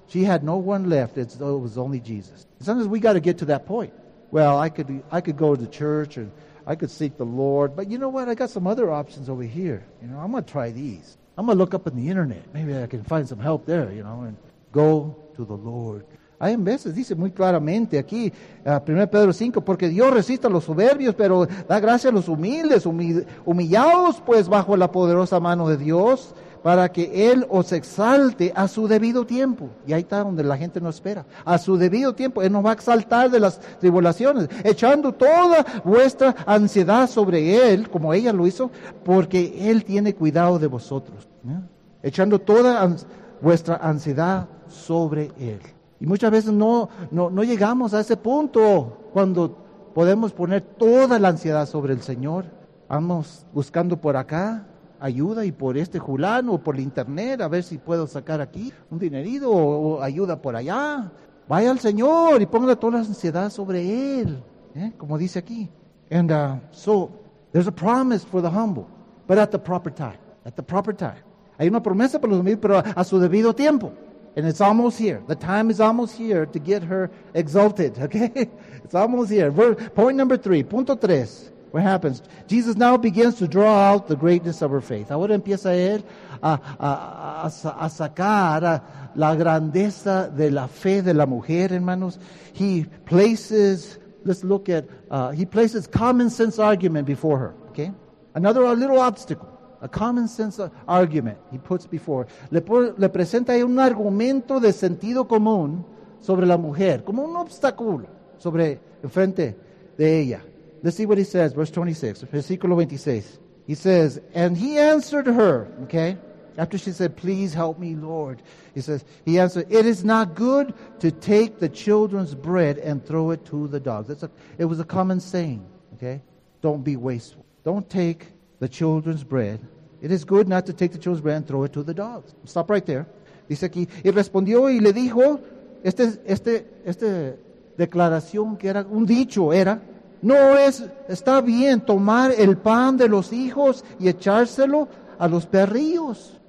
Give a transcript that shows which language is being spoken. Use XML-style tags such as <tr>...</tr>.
<en>She had no one left. It was only Jesus. Sometimes we got to get to that point. Well, I could go to church and I could seek the Lord. But you know what? I got some other options over here. You know, I'm going to try these. I'm going to look up on the internet. Maybe I can find some help there, you know, and go to the Lord.</en> <es>Hay veces, dice muy claramente aquí, 1 Pedro 5, porque Dios resiste a los soberbios, pero da gracia a los humildes. Humillaos pues bajo la poderosa mano de Dios, para que Él os exalte a su debido tiempo. Y ahí está donde la gente no espera. A su debido tiempo, Él nos va a exaltar de las tribulaciones, echando toda vuestra ansiedad sobre Él, como ella lo hizo, porque Él tiene cuidado de vosotros. ¿Eh? Echando toda vuestra ansiedad sobre Él. Y muchas veces no llegamos a ese punto cuando podemos poner toda la ansiedad sobre el Señor. Vamos buscando por acá ayuda y por este fulano o por el internet a ver si puedo sacar aquí un dinerito o ayuda por allá. Vaya al Señor y ponga toda la ansiedad sobre Él, ¿eh? Como dice aquí.</es> <en>And so, there's a promise for the humble, but at the proper time. At the proper time.</en> <es>Hay una promesa para los humildes, pero a su debido tiempo.</es> <en>And it's almost here. The time is almost here to get her exalted, okay? It's almost here. Point number three.</en> <es>Punto tres.</es> <en>What happens? Jesus now begins to draw out the greatness of her faith.</en> <es>Ahora empieza él a sacar la grandeza de la fe de la mujer, hermanos.</es> <en>He places common sense argument before her, okay? Another little obstacle. A common sense argument he puts before.</en> <es>Le presenta un argumento de sentido común sobre la mujer, como un obstáculo sobre enfrente de ella.</es> <en>Let's see what he says, verse 26, versículo 26. He says, and he answered her, okay? After she said, please help me, Lord. He answered, it is not good to take the children's bread and throw it to the dogs. It was a common saying, okay? Don't be wasteful. Don't take the children's bread. It is good not to take the children's bread and throw it to the dogs. Stop right there.</en> <es>Dice aquí, y respondió y le dijo, esta declaración que era un dicho era, no es, está bien tomar el pan de los hijos y echárselo a los perrillos.</es>